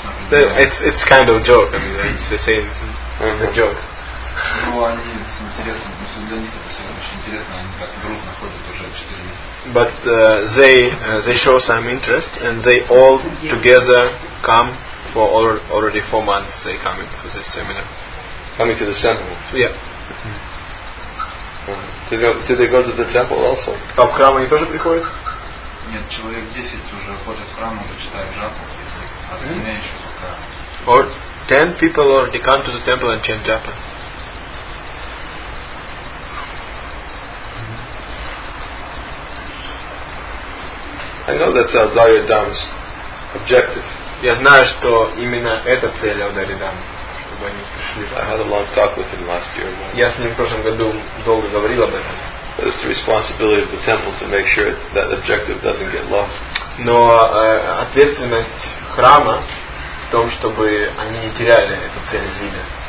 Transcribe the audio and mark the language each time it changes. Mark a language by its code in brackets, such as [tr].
[en] It's kind of a joke. I mean, it's the same. It's a joke. [ru] Ну, они с интересом, ну, для них это все очень интересно, они как грустно ходят уже 4 месяца. [en] But they show some interest, and they all together come for already 4 months, they come to this seminar. Coming to the temple? Yeah. Do they go to the temple also? [ru] А в храм они тоже приходят? Нет, человек 10 уже ходят в храм, уже читают джапу, остальные еще пока... [en] Or 10 people already come to the temple and chant japa. I know that's Dharya Dham's objective. [ru] Я знаю, что именно эта цель Дарьи Дам, чтобы они пришли. [en] I had a long talk with him last year. [ru] Я с ним в прошлом году долго говорил об этом. [en] But it's the responsibility of the temple to make sure that objective doesn't get lost. [ru] Но ответственность храма в том, чтобы они не теряли эту цель из вида.